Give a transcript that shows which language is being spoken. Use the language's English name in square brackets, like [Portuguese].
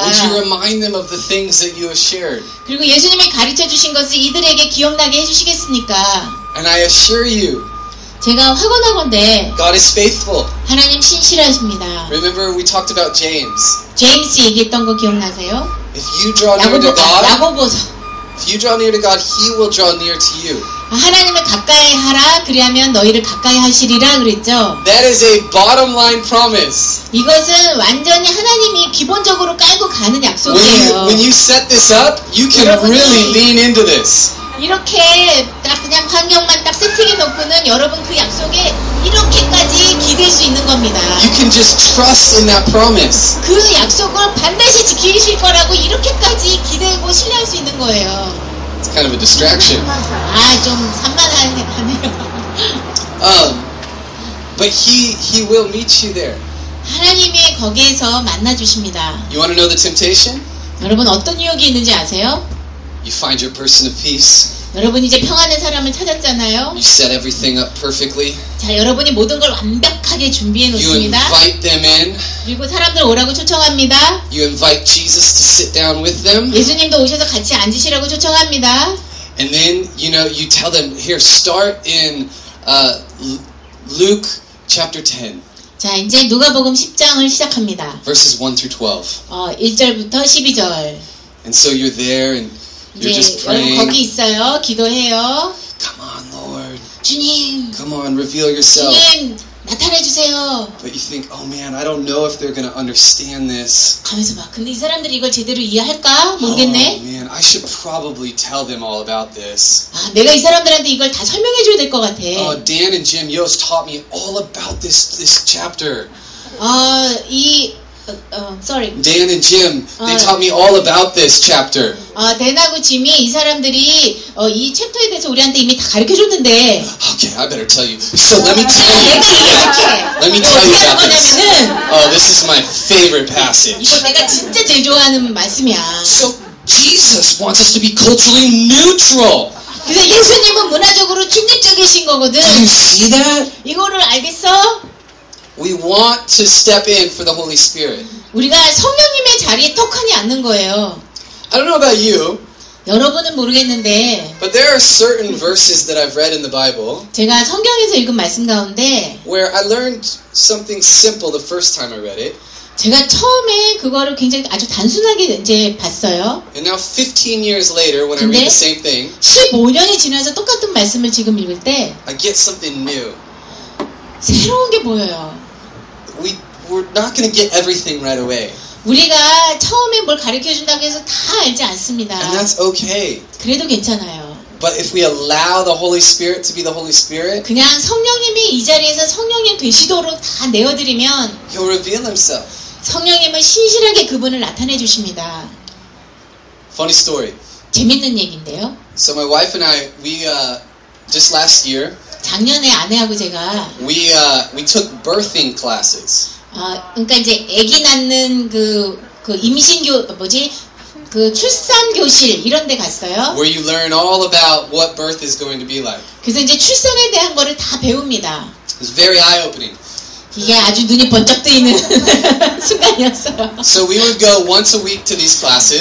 [English] Will you remind them of the things that you have shared? [Korean] 그리고 예수님이 가르쳐 주신 것을 이들에게 기억나게 해 주시겠습니까? [English] And I assure you. [Korean] 제가 확언하건대 [English] God is faithful. [Korean] 하나님 신실하십니다. [English] Remember we talked about James. [Korean] 제임스 얘기했던 거 기억나세요? [English] If you draw near to God. [Korean] 야고보서. [English] If you draw near to God, he will draw near to you. [Korean] 하나님을 가까이 하라 그리하면 너희를 가까이 하시리라 그랬죠. [English] That is a bottom line promise. [Korean] 이것은 완전히 하나님이 기본적으로 깔고 가는 약속이에요. [English] When you set this up, you can [Korean] 여러분이, [English] really lean into this. [Korean] 이렇게 딱 그냥 환경만 딱 세팅해 놓고는 여러분 그 약속에 이렇게까지 기댈 수 있는 겁니다. [English] You can just trust in that promise. [Korean] 그 약속을 반드시 지키실 거라고 이렇게까지 기대고 신뢰할 수 있는 거예요. [English] It's kind of a distraction. [Korean] 아, 좀 산만하네요. [English] But he will meet you there. [Korean] 하나님이 거기에서 만나 주십니다. [English] You want to know the temptation? [Korean] 여러분 어떤 유혹이 있는지 아세요? [English] You find your person of peace. [Korean] 여러분 이제 평안의 사람을 찾았잖아요. [English] You set everything up perfectly. [Korean] 자, 여러분이 모든 걸 완벽하게 준비해 놓습니다. [English] You invite them in. [Korean] 그리고 사람들 오라고 초청합니다. [English] You invite Jesus to sit down with them. [Korean] 예수님도 오셔서 같이 앉으시라고 초청합니다. [English] And then, you know, you tell them, here, start in Luke chapter 10. [Korean] 자, 이제 누가복음 10장을 시작합니다. [English] Verses 1 through 12. [Korean] 1절부터 12절. [English] And so you're there and you're [Korean] 네, [English] just praying. [Korean] 거기 있어요. 기도해요. [English] Come on, Lord. [Korean] 주님. [English] Come on, reveal yourself. [Korean] 주님, 나타내 주세요. [English] But you think, oh man, I don't know if they're gonna understand this. [Korean] 가면서 봐. 근데 이 사람들이 이걸 제대로 이해할까? 모르겠네. [English] Oh man, I should probably tell them all about this. [Korean] 아, 내가 이 사람들한테 이걸 다 설명해 줘야 될 것 같아. [English] Dan and Jim, you've taught me all about this chapter. 이 sorry. Dan and Jim, they taught me all about this chapter. [Korean] Dan하고 Jim이 이 사람들이 이 챕터에 대해서 우리한테 이미 다 가르쳐 줬는데. [English] Okay, I better tell you. So let me tell you. Let me tell you about this. Oh, this is my favorite passage. [Korean] 이거 내가 진짜 제일 좋아하는 말씀이야. [English] So Jesus wants us to be culturally neutral. [Korean] 근데 예수님은 문화적으로 중립적이신 거거든. [English] Do you see that? [Korean] 이거를 알겠어? [English] We want to step in for the Holy Spirit. [Korean] 우리가 성령님의 자리에 턱하니 앉는 거예요. [English] I don't know about you. [Korean] 여러분은 모르겠는데. [English] But there are certain verses that I've read in the Bible. [Korean] 제가 성경에서 읽은 말씀 가운데. [English] Where I learned something simple the first time I read it. [Korean] 제가 처음에 그거를 굉장히 아주 단순하게 이제 봤어요. [English] And now 15 years later when I read the same thing. [Korean] 15년이 지나서 똑같은 말씀을 지금 읽을 때 [English] I get something new. [Korean] 새로운 게 보여요. [English] We're not going to get everything right away. [Korean] 우리가 처음에 뭘 가르쳐 준다고 해서 다 알지 않습니다. [English] And that's okay. [Korean] 그래도 괜찮아요. [English] But if we allow the Holy Spirit to be the Holy Spirit, [Korean] 그냥 성령님이 이 자리에서 성령님 되시도록 다 내어드리면, [English] He'll reveal Himself. [Korean] 성령님은 신실하게 그분을 나타내 주십니다. [English] Funny story. [Korean] 재밌는 얘기인데요. [English] So my wife and I, just last year, [Korean] 작년에 아내하고 제가, [English] we took birthing classes. [Korean] 그러니까 이제 아기 낳는 그 임신교 뭐지? 그 출산 교실 이런 데 갔어요. [English] Where you learn all about what birth is going to be like. [Korean] 그래서 이제 출산에 대한 거를 다 배웁니다. [English] It's very eye-opening. [Korean] 이게 아주 눈이 번쩍 뜨이는 순간이었어요. [English] So we would go once a week to these classes.